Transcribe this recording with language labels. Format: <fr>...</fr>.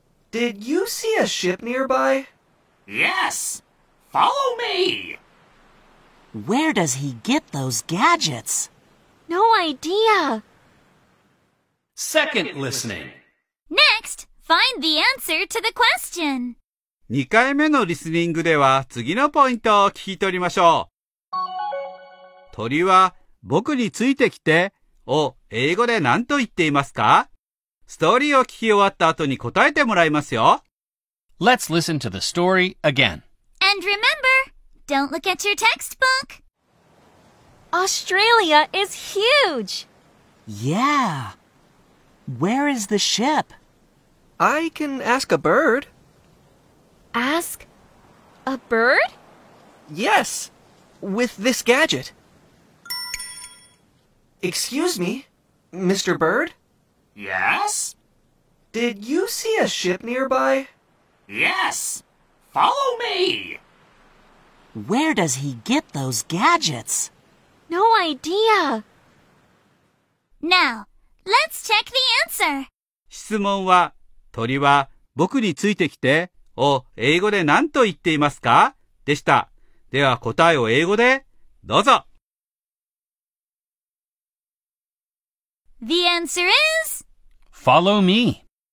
<en>Did you see a ship nearby? Yes! Follow me! Where does he get those gadgets? No idea! Second listening. Next, find the answer to the question.</en> <ja>2回目のリスニングでは次のポイントを聞き取りましょう。鳥は僕についてきてを英語で何と言っていますか？ストーリーを聞き終わった後に答えてもらいますよ。</ja> <en>Let's listen to the story again. And remember, don't look at your textbook. Australia is huge. Yeah. Where is the ship? I can ask a bird. Ask a bird? Yes, with this gadget. Excuse me, Mr. Bird? Yes? Did you see a ship nearby? Yes! Follow me! Where does he get those gadgets? No idea! Now, let's check the answer!</en> <ja>質問は、鳥は僕についてきてを英語で何と言っていますか？でした。では答えを英語でどうぞ。</ja> <en>The answer is Follow me.</en>